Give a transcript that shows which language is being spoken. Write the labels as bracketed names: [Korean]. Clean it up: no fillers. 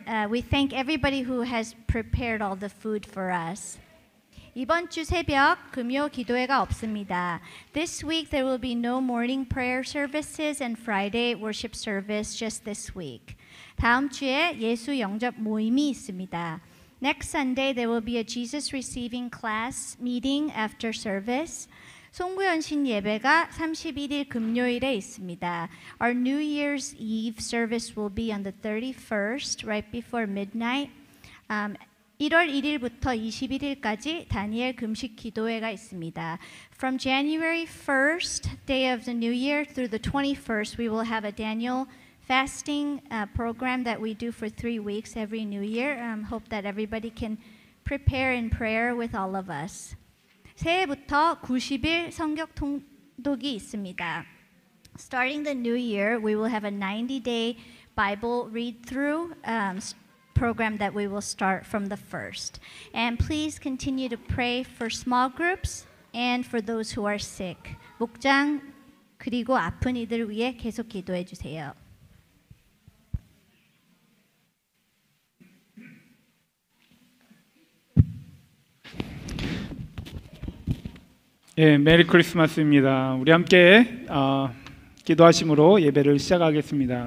[English] We thank everybody who has prepared all the food for us. [Korean] 이번 주 새벽 금요 기도회가 없습니다. [English] This week there will be no morning prayer services and Friday worship service just this week. [Korean] 다음 주에 예수 영접 모임이 있습니다. [English] Next Sunday there will be a Jesus receiving class meeting after service. [Korean] 송구연신 예배가 31일 금요일에 있습니다. [English] Our New Year's Eve service will be on the 31st, right before midnight. [Korean] 1월 1일부터 21일까지 다니엘 금식 기도회가 있습니다. [English] From January 1st, day of the new year, through the 21st, we will have a Daniel fasting program that we do for 3 weeks every new year. Hope that everybody can prepare in prayer with all of us. [Korean] 새해부터 90일 성경 통독이 있습니다. [English] Starting the new year, we will have a 90-day Bible read-through program that we will start from the first. And please continue to pray for small groups and for those who are sick. [Korean] 목장 그리고 아픈 이들 위해 계속 기도해 주세요. 예, 메리 크리스마스입니다. 우리 함께 기도하심으로 예배를 시작하겠습니다.